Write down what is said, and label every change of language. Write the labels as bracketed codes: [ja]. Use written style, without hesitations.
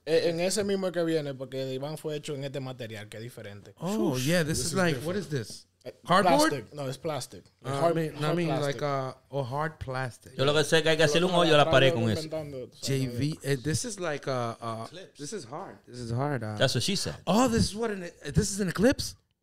[es] En ese mismo que viene, porque de Iván fue hecho en este material, que es diferente. [en] Oh, yeah, this is like, what is this? Cardboard? Plastic. No, it's plastic. Hard plastic. [es] Yo lo que sé que hay que hacer un hoyo a la pared con eso. [en] JV, this is like a... this is hard. This is hard. That's what she said. Oh, this is what this is an eclipse?